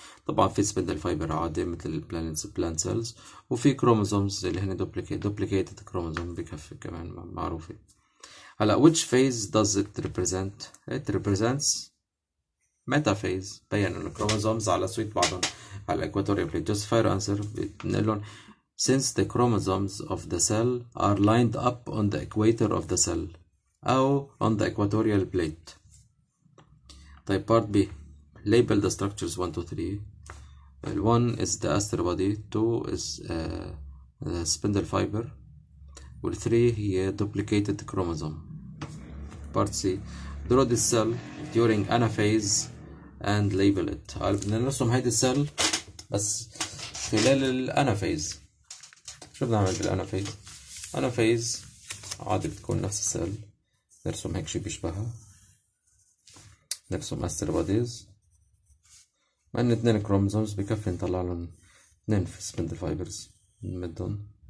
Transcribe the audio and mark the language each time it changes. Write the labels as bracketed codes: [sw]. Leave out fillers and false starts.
[ar] طبعا في سبندل فايبر عادي مثل البلانتس بلانت سيلز وفي كروموزومز اللي هن دوبليكيتد كروموزوم بكفي كمان معروفه. هلا [en] which phase does it represent? It represents metaphase. [ar] بين الكروموزومز على سويت بعضهم على الاكواتوريال بليت. [en] Just fair answer بنقلهم since the chromosomes of the cell are lined up on the equator of the cell أو on the equatorial plate. طيب part B label the structures 1 to 3. The 1 is the aster body, 2 is the spindle fiber, and 3 هي duplicated chromosome. Part C draw this cell during anaphase and label it. [ar] بدنا نرسم هيدي السيل بس خلال الانافيز. شو بدنا نعمل بالانافيز؟ انافيز عادي بتكون نفس السيل. نرسم هيك شيء بيشبهها. نرسم أستر باديز معنا 2 كروموزومز بكفي نطلع لهم 2 سبندل فايبرز نمدهم.